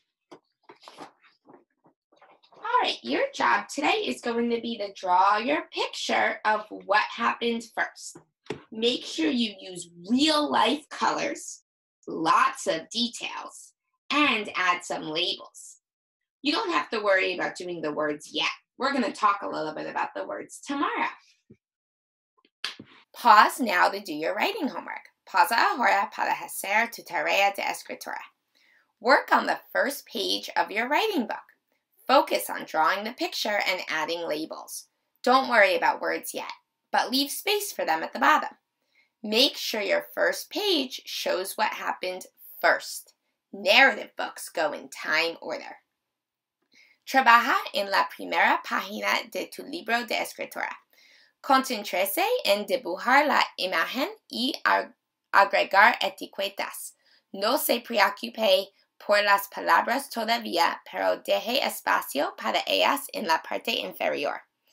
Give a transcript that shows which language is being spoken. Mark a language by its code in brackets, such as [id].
[en] All right, your job today is going to be to draw your picture of what happened first. Make sure you use real life colors, lots of details, and add some labels. You don't have to worry about doing the words yet. we're going to talk a little bit about the words tomorrow. Pause now to do your writing homework. [es] Pausa ahora para hacer tu tarea de escritura. [en] Work on the first page of your writing book. Focus on drawing the picture and adding labels. Don't worry about words yet, but leave space for them at the bottom. Make sure your first page shows what happened first. Narrative books go in time order. [es] Trabaja en la primera página de tu libro de escritura. Concéntrese en dibujar la imagen y agregar etiquetas. No se preocupe por las palabras todavía, pero deje espacio para ellas en la parte inferior.